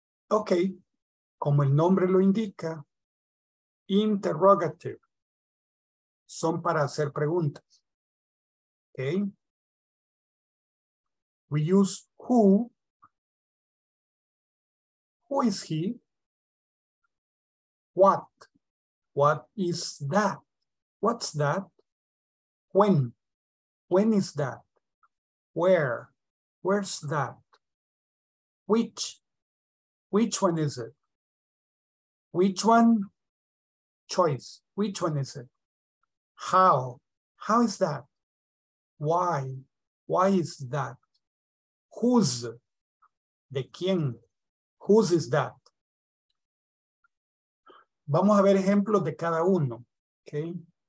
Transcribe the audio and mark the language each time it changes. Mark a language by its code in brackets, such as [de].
[es] Ok, como el nombre lo indica, interrogative son para hacer preguntas. Ok. [en] We use who is he, what is that, what's that, when is that, where's that, which one is it, which one, choice, which one is it, how is that, why is that, whose, [es] de quién, [en] whose is that. [es] Vamos a ver ejemplos de cada uno, okay.